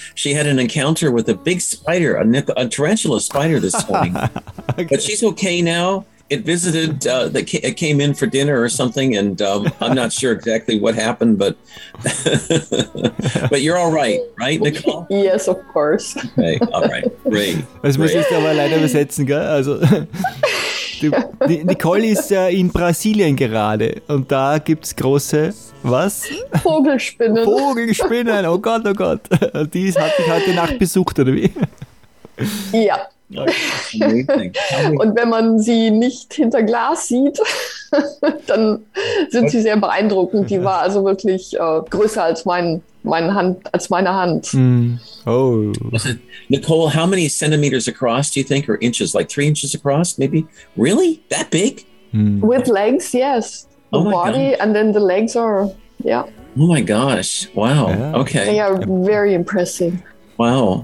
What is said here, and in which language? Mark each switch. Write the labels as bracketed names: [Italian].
[English] She had an encounter with a big spider, a tarantula spider this morning. Okay. But she's okay now. It visited, it came in for dinner or something, and I'm not sure exactly what happened, but but you're all right, right, Nicole? Yes, of course. Okay, all right, great. [German] Das müsstest du aber leider übersetzen, gell? Also, Nicole ist in Brasilien gerade, und da gibt es große, was? Vogelspinnen. Vogelspinnen, oh Gott, oh Gott. Die hat dich heute Nacht besucht, oder wie? Ja. Und wenn man sie nicht hinter Glas sieht, dann sind sie sehr beeindruckend. Die war also wirklich größer als meine Hand. Mm. Oh. [English] Nicole, how many centimeters across do you think, or inches, like 3 inches across, maybe? Really? That big? Mm. With legs, yes. The body, God. And then the legs are, yeah. Oh my gosh. Wow. Yeah. Okay. They are very impressive. Wow.